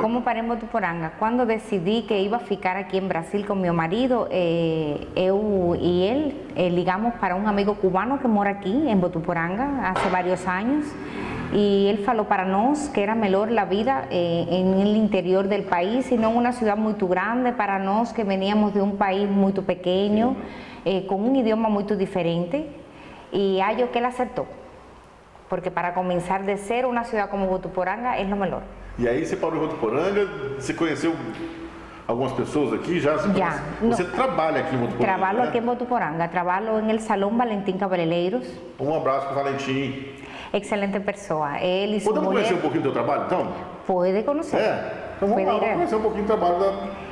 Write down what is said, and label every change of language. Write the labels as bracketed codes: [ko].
[pt] Como parei em Votuporanga? Quando decidi que ia ficar aqui em Brasil com meu marido, eu e ele ligamos para um amigo cubano que mora aqui em Votuporanga há vários anos. E ele falou para nós que era melhor a vida no interior do país e não em uma cidade muito grande para nós que veníamos de um país muito pequeno, com um idioma muito diferente. E aí o que ele acertou. [es] Porque para comenzar de cero, una ciudad como Votuporanga es lo mejor. Y ahí se paró en Votuporanga, se conoció [pt] algumas pessoas aqui já se conhecem. Você trabalha aqui em Votuporanga? Trabalho, né? Aqui em Votuporanga. Trabalho em el Salón Valentín Cabeleireiros. Um abraço para Valentín. Excelente pessoa. Ele, podemos mulher... conhecer um pouquinho do teu trabalho, então? Pode conhecer. É. Então vamos, lá, vamos conhecer um pouquinho do trabalho da.